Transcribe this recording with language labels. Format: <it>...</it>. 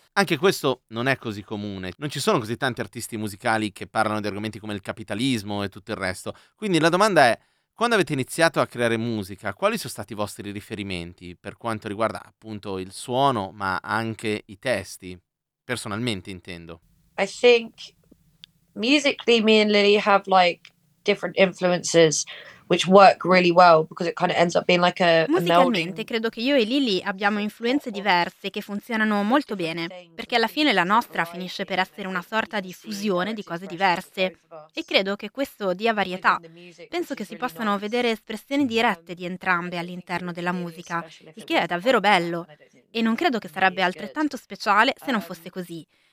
<it>Anche questo non è così comune. Non ci sono così tanti artisti musicali che parlano di argomenti come il capitalismo e tutto il resto. Quindi la domanda è: quando avete iniziato a creare musica, quali sono stati i vostri riferimenti per quanto riguarda appunto il suono, ma anche i testi? Personalmente intendo.</it> <en>I think musically, me and Lily have like different influences which work really well because it kind of ends up being like a</en> <it>Musicalmente,</it> <en>melding.</en> <it>credo che io e Lily abbiamo influenze diverse che funzionano molto bene, perché alla fine la nostra finisce per essere una sorta di fusione di cose diverse, e credo che questo dia varietà. Penso che si possano vedere espressioni dirette di entrambe all'interno della musica, il che è davvero bello, e non credo che sarebbe altrettanto speciale se non fosse così.</it>